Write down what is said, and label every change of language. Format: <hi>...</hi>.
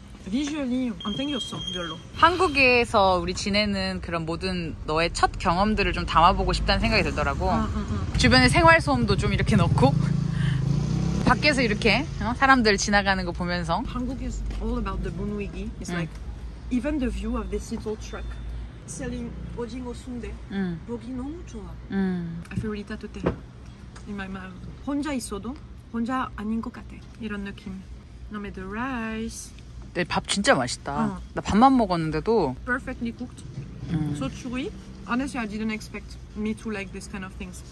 <ko>비주얼이 안 땡겼어, 별로. 한국에서 우리 지내는 그런 모든 너의 첫 경험들을 좀 담아보고 싶다는 생각이 들더라고. 주변에 생활 소음도 좀 이렇게 넣고 밖에서 이렇게 사람들 지나가는 거 보면서.</ko> <en>한국 is all about the 분위기. It's like even the view of this little truck selling 오징어 순대.</en> <ko>보기 너무 좋아.</ko> <en>I feel really tattooed in my mind.</en> <ko>혼자 있어도 혼자 아닌 것 같아. 이런 느낌. 너무</ko> <en>the rice.</en> <ko>내 밥 진짜 맛있다. 나 밥만 먹었는데도.</ko> <en>Perfectly cooked. So chewy. Honestly, I didn't expect me to like this kind of things.</en>